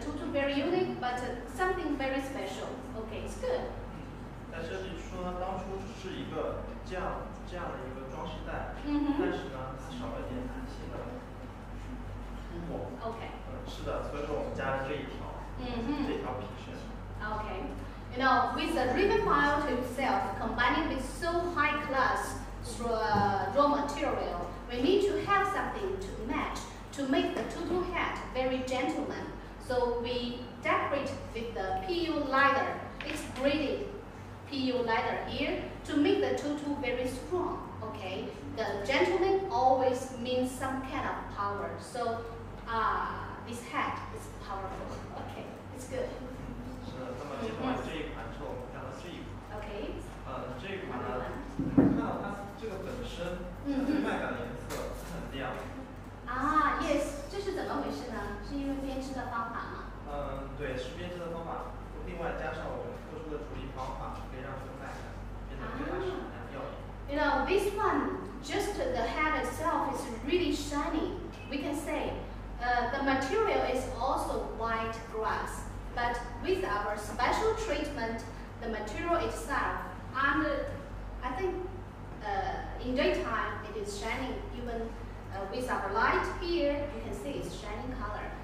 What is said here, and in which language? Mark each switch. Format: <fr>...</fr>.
<en>Very unique, but something very special. Okay, it's good.</en> <zh>在设计说呢，当初是一个这样的一个装饰带，但是呢，它少了点弹性的触摸。</zh> <en>OK。</en> <zh>是的，所以说我们加了这一条，这条皮身。</zh> <en>OK。 You know, with the ribbon pile to itself, combining with so high class raw material, we need to have something to match to make the tutu hat very gentleman. So we decorate with the PU leather. It's braided PU leather here to make the tutu very strong. Okay, the gentleman always means some kind of power. So this hat is powerful. Okay, it's good.</en> <zh>那么介绍完这一款之后，我们看到这一款。</zh> <en>OK。</en> <zh>这一款呢，看到它这个本身，麦秆的颜色很亮。 Yes， 这是怎么回事呢？是因为编织的方法吗？对，是编织的方法，另外加上我们特殊的处理方法，可以让这个麦秆变得更加闪亮耀眼。</zh> <en>You know, this one, just the head itself is really shiny. We can say, the material is also white grass. But with our special treatment, the material itself, and I think in daytime it is shining, even with our light here, you can see it's shining color.</en>